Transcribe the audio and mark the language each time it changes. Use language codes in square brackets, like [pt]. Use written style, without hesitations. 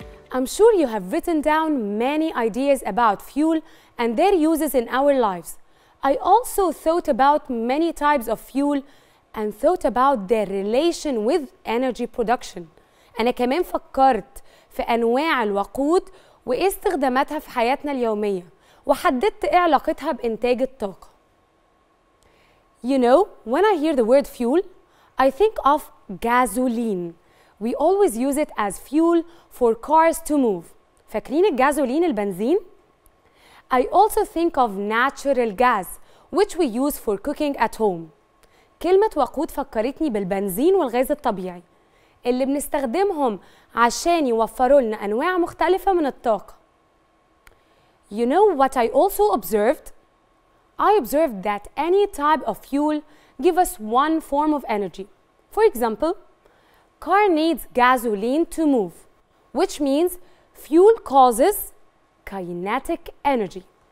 [en] I'm sure you have written down many ideas about fuel and their uses in our lives. I also thought about many types of fuel and thought about their relation with energy production. [ar] أنا كمان فكرت في أنواع الوقود واستخداماتها في حياتنا اليومية وحددت إيه علاقتها بإنتاج الطاقة. [en] You know, when I hear the word fuel, I think of gasoline. We always use it as fuel for cars to move. [ar] فاكرين الجازولين البنزين؟ [en] I also think of natural gas, which we use for cooking at home. [ar] كلمة وقود فكرتني بالبنزين والغاز الطبيعي اللي بنستخدمهم عشان يوفروا لنا أنواع مختلفة من الطاقة. [en] You know what I also observed? I observed that any type of fuel give us one form of energy. For example, car needs gasoline to move, which means fuel causes kinetic energy.